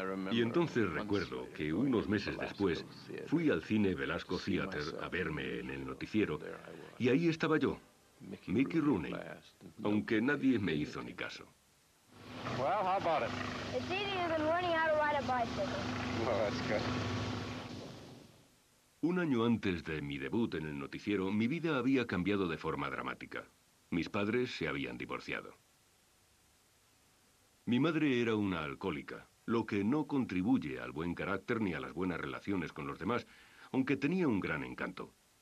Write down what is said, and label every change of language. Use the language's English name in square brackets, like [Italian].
[Spanish] Y entonces recuerdo que unos meses después fui al cine Velasco Theater a verme en el noticiero y ahí estaba yo, Mickey Rooney, aunque nadie me hizo ni caso. [English] Well, how about it? It's easier than learning how to ride a bicycle. Well, that's good. [Spanish] Un año antes de mi debut en el noticiero, mi vida había cambiado de forma dramática. Mis padres se habían divorciado. Mi madre era una alcohólica, lo que no contribuye al buen carácter ni a las buenas relaciones con los demás, aunque tenía un gran encanto.